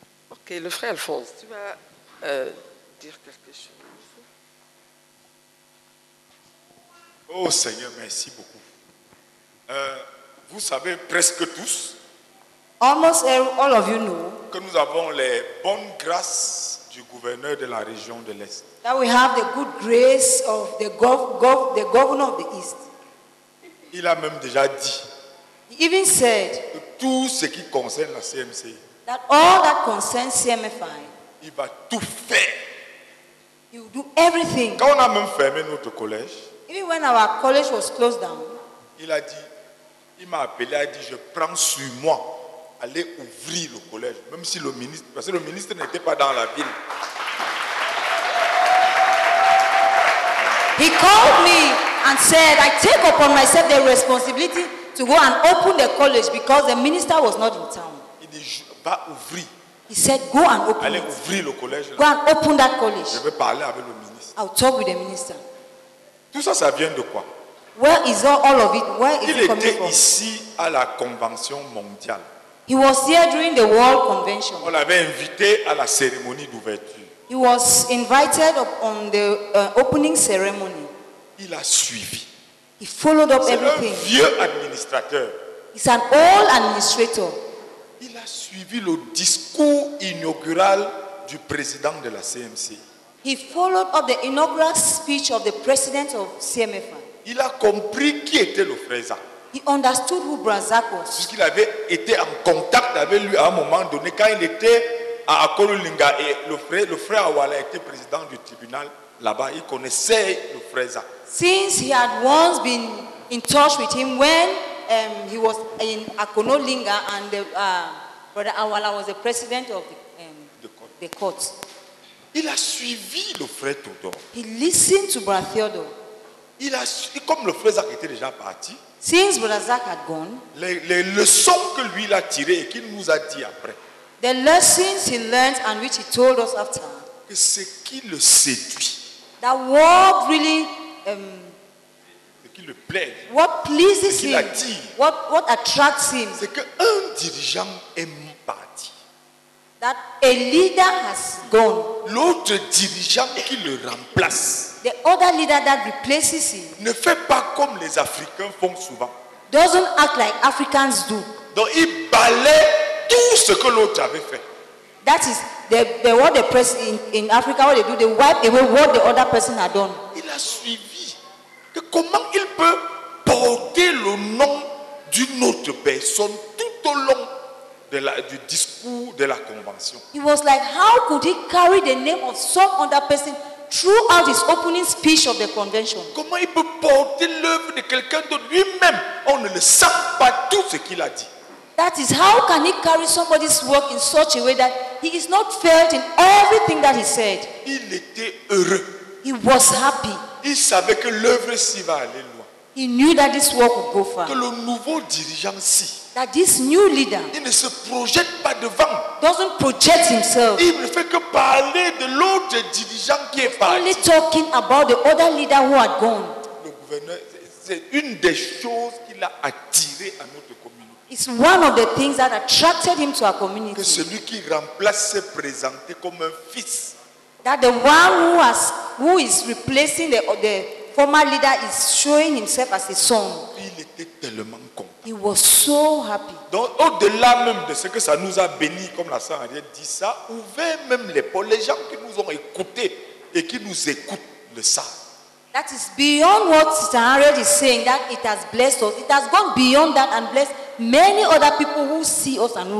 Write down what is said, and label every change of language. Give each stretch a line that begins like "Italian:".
French: Ok, le frère Alphonse, tu vas dire quelque chose. Oh Seigneur, merci beaucoup. Vous savez presque tous.
English: Almost all of you know.
French: Que nous avons les bonnes grâces du gouverneur de la région de l'Est.
English: That we have the good grace of the governor of the East.
French: Il a même déjà dit.
English: He even said.
French: Que tout ce qui concerne la CMC.
English: That all that concerns CMFI.
French: Il va tout faire.
English: He will do everything.
French: Quand on a même fermé notre collège.
English: Even when our college was closed down.
French: Il a dit, il m'a appelé, il a dit, je prends sur moi. Aller ouvrir le collège, même si le ministre, parce que le ministre n'était pas dans la ville.
English: He called me and said, I take upon myself the responsibility to go and open the college because the minister was not in town.
French: Il dit, va ouvrir.
English: He said, go and open.
French: Aller ouvrir le collège.
English: Go and open that college.
French: Je vais parler avec le ministre.
English: I'll talk with the minister.
French: Tout ça, ça vient de quoi?
English: Where is all of it? Where is it coming from?
French: Il était ici à la convention mondiale.
English: He was here during the World Convention.
French: On l'avait invité à la cérémonie d'ouverture.
English: He was invited up on the opening ceremony.
French: Il a suivi.
English: He followed up everything.
French: C'est un vieux administrateur.
English: He's an old administrator.
French: Il a suivi le discours inaugural du président de la CMC.
English: He followed up the inaugural speech of the president of CMFI.
French: Il a compris qui était le frère.
English: He understood who Brazak was.
French: Puisqu'il avait été en contact avec lui à un moment donné quand il était à Akolulinga et le frère Awala était président du tribunal là-bas. Il connaissait le frère Zak.
English: Since he had once been in touch with him when he was in Akolulinga and the, brother Awala was the president of the court.
French: Il a suivi le frère Theodore.
English: He listened to brother Theodore.
French: Il a suivi, comme le frère Zak était déjà parti.
English: Since Brother Zach had gone,
French: les leçons que lui a tirées et qu'il nous a dit après,
English: the lessons he learned and which he told us after,
French: que ce qui le séduit,
English: that what really,
French: ce qui le plaît,
English: what pleases him,
French: attire,
English: what attracts him,
French: c'est qu'un dirigeant est parti,
English: that a leader has gone,
French: l'autre dirigeant qui le remplace.
English: The other leader that replaces him
French: ne fait pas comme les Africains font souvent.
English: Doesn't act like Africans do.
French: Donc il balaye tout ce que l'autre avait fait.
English: That is the what the person in Africa what they do, they wipe away what the other person had done.
French: Il a suivi que comment il peut porter le nom d'une autre personne tout au long de la, du discours de la convention.
English: He was like, how could he carry the name of some other person throughout his opening speech of the convention?
French: Comment il peut porter l'œuvre de quelqu'un d'autre lui-même? On ne le sent pas tout ce qu'il a dit.
English: That is, how can he carry somebody's work in such a way that he is not felt in everything that he said?
French: Il était heureux.
English: He was happy.
French: Il savait que l'œuvre s'y va aller loin.
English: He knew that this work would go far.
French: Que le nouveau dirigeant s'y.
English: That this new leader,
French: il ne se projette pas devant.
English: Doesn't project himself.
French: Il ne fait que parler de l'autre dirigeant qui est parti.
English: Only talking about the other leader who had gone.
French: Le gouverneur, c'est une des choses qui l'a attiré à notre communauté.
English: It's one of the things that attracted him to our community.
French: Que celui qui remplace s'est présenté comme un fils.
English: That the one who is replacing the former leader is showing himself as a son.
French: Il était tellement content.
English: He was so happy.
French: Donc, au-delà même de ce que ça nous a béni, comme la sœur Henriette dit, ça ouvert même les portes. Les gens qui nous ont écoutés et qui nous écoutent le savent.
English: That is beyond what Sister Henriette is saying, that it has blessed us. It has gone beyond that and blessed many other people who see us and who